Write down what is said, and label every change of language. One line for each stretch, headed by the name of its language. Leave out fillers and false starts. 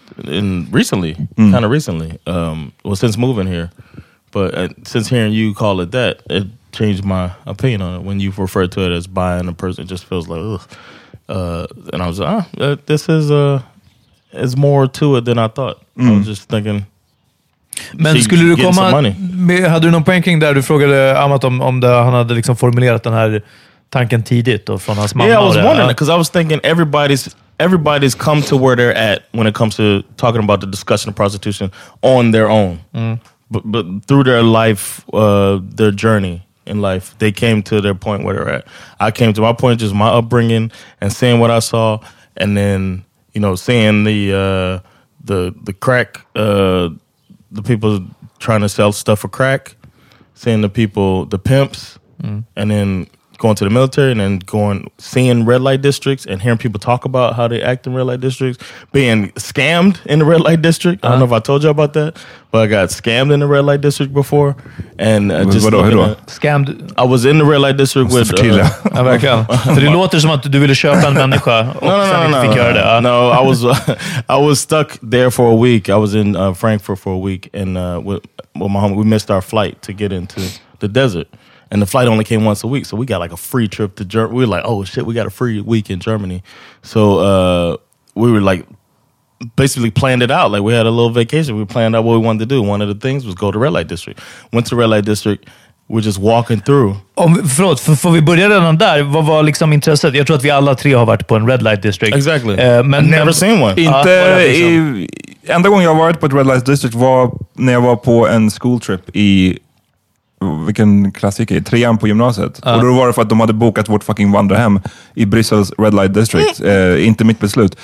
English: In recently, kind of recently, since moving here, but since hearing you call it that, it changed my opinion on it. When you referred to it as buying a person, it just feels like, ugh. And I was like, this is it's more to it than I thought. I was just thinking.
Swedish: Men skulle du komma? Hade du någon poäng kring där? Du frågade Amat om det, han hade liksom formulerat den här tanken tidigt och från hans mamma.
English: Yeah, I was wondering because I was thinking everybody's come to where they're at when it comes to talking about the discussion of prostitution on their own. But through their life, their journey in life, they came to their point where they're at. I came to my point, just my upbringing and seeing what I saw. And then, you know, seeing the crack, the people trying to sell stuff for crack, seeing the people, the pimps, and then going to the military, and then going, seeing red light districts and hearing people talk about how they act in red light districts, being scammed in the red light district. I don't know if I told you about that, but I got scammed in the red light district before. And scammed. I was in the red light district with
Swedish: det låter som att du ville köpa en människa.
English: No, I was stuck there for a week. I was in Frankfurt for a week, and with my homie, we missed our flight to get into the desert. And the flight only came once a week, so we got like a free trip to Germany. We were like, oh shit, we got a free week in Germany. So we were like, basically planned it out. Like, we had a little vacation. We planned out what we wanted to do. One of the things was go to Red Light District. Went to Red Light District. We're just walking through.
Swedish: Förlåt, får vi börja redan där? Vad var liksom intresset? Jag tror att vi alla tre har varit på en Red Light District.
English: Exactly. Men never seen one.
Swedish: Inte, enda gången jag varit på Red Light District var när jag var på en
English: school trip
Swedish: i... vilken klassiker, trean på gymnasiet. Och då var det för att de hade bokat vårt fucking vandrahem i Brussels Red Light District. Inte mitt beslut.